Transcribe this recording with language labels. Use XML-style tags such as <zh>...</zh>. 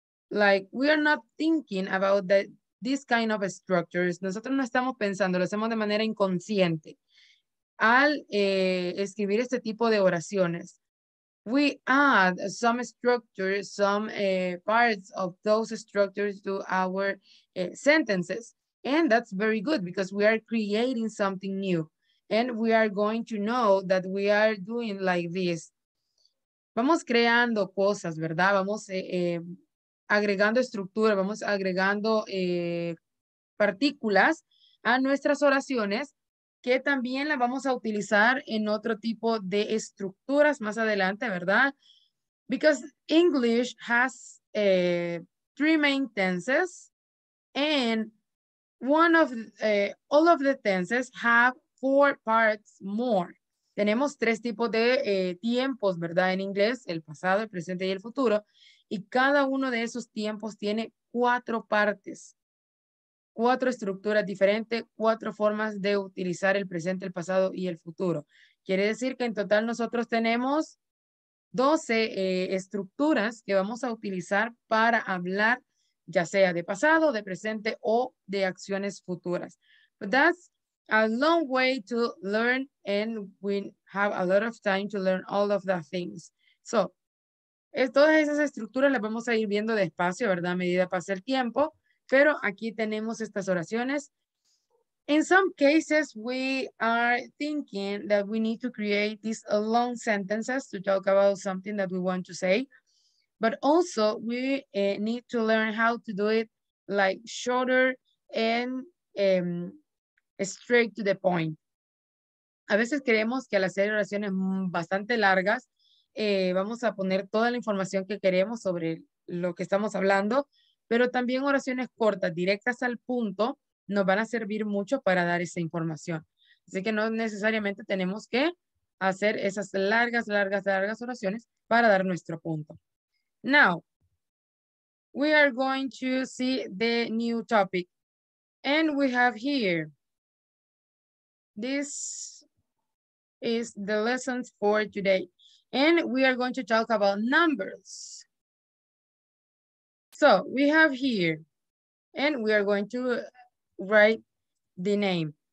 <en>Like, we are not thinking about that, this kind of structures.</en> <es>Nosotros no estamos pensando, lo hacemos de manera inconsciente. Al escribir este tipo de oraciones,</es> <en>we add some structures, some parts of those structures to our sentences. And that's very good because we are creating something new. And we are going to know that we are doing like this.</en> <es>Vamos creando cosas, ¿verdad? Vamos agregando estructura, vamos agregando partículas a nuestras oraciones que también las vamos a utilizar en otro tipo de estructuras más adelante, ¿verdad?</es> <en>Because English has three main tenses and one of all of the tenses have four parts more.</en> <es>Tenemos tres tipos de tiempos, ¿verdad? En inglés, el pasado, el presente y el futuro. Y cada uno de esos tiempos tiene cuatro partes, cuatro estructuras diferentes, cuatro formas de utilizar el presente, el pasado y el futuro. Quiere decir que en total nosotros tenemos 12 estructuras que vamos a utilizar para hablar ya sea de pasado, de presente o de acciones futuras.</es> <en>But that's a long way to learn and we have a lot of time to learn all of the things.</en> <es>So, todas esas estructuras las vamos a ir viendo despacio, ¿verdad? A medida pasa el tiempo, pero aquí tenemos estas oraciones.</es> <en>In some cases, we are thinking that we need to create these long sentences to talk about something that we want to say. But also we need to learn how to do it like shorter and straight to the point.</en> <es>A veces creemos que al hacer oraciones bastante largas, vamos a poner toda la información que queremos sobre lo que estamos hablando, pero también oraciones cortas, directas al punto, nos van a servir mucho para dar esa información. Así que no necesariamente tenemos que hacer esas largas, largas, largas oraciones para dar nuestro punto.</es> <en>Now, we are going to see the new topic. And we have here, this is the lessons for today. And we are going to talk about numbers. So we have here, and we are going to write the name.</en>